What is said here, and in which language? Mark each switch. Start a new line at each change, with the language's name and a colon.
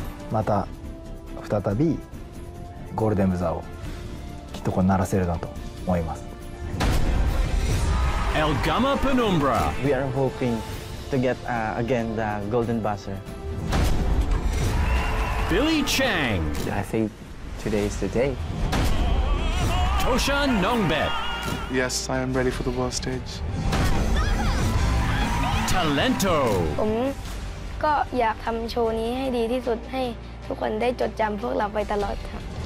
Japanese: また、再び、ゴールデンブザーをきっとこう鳴らせるなと思います。
English: El Gama Penumbra. We are hoping to get again the golden buzzer. Billy Chang. I think today is the day. Toshan Nongbet. Yes, I am ready for the world stage. Talento.
Thai: ผมก็อยากทำโชว์นี้ให้ดีที่สุดให้ทุกคนได้จดจำพวกเราไปตลอดค่ะ